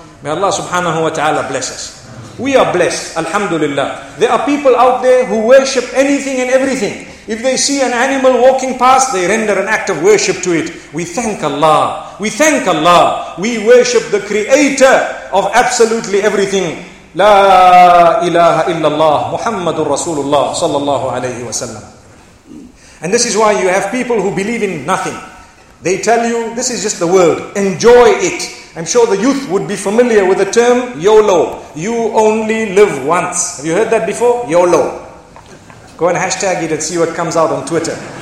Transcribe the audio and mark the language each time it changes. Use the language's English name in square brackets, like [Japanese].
[English] May Allah subhanahu wa ta'ala bless us. We are blessed, alhamdulillah. There are people out there who worship anything and everything. If they see an animal walking past, they render an act of worship to it. We thank Allah. We thank Allah. We worship the creator of absolutely everything. [Arabic] لا إله إلا الله محمد رسول الله صلى الله عليه وسلم. [English] And this is why you have people who believe in nothing. They tell you, this is just the world, enjoy it. I'm sure the youth would be familiar with the term YOLO. You only live once. Have you heard that before? YOLO. Go and hashtag it and see what comes out on Twitter.